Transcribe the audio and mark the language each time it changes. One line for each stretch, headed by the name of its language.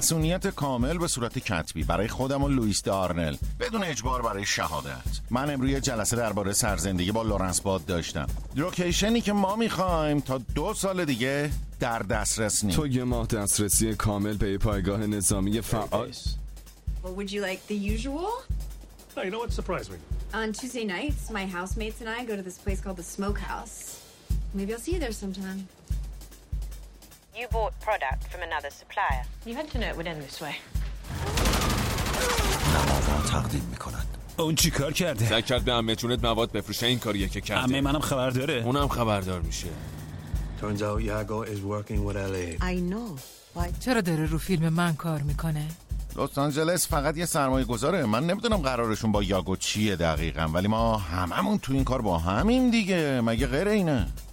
Persian: مسئولیت کامل به صورت کتبی برای خودم و لوئیس دارنل بدون اجبار برای شهادت. من امروز یه جلسه درباره سرزندگی با لورنس باد داشتم. لوکیشنی که ما میخوایم تا 2 سال دیگه در دسترس نیست. تو یه ماه دسترسی کامل به پایگاه نظامی فعال.
English: Well, would you like the usual? No, you know what surprised me. On Tuesday nights, my housemates and I go to this place called the Smokehouse. Maybe I'll see you there sometime. You bought product from another supplier. You had to know it would end this way.
Persian: نمازم تقدیم میکنند. اون چی کار کرده؟ سعی کرد به عمه جونت مواد بفروشه. این کاریه که کرده. عمه منم خبر داره. اونم خبردار میشه.
English: Turns out Yago is working with LA. I know. Why?
Persian: چرا داره رو فیلم من کار میکنه؟ لس آنجلس فقط یه سرمایه گذاره. من نمیدونم قرارشون با یاگو چیه دقیقا، ولی ما هممون تو این کار با همیم دیگه، مگه غیر اینه؟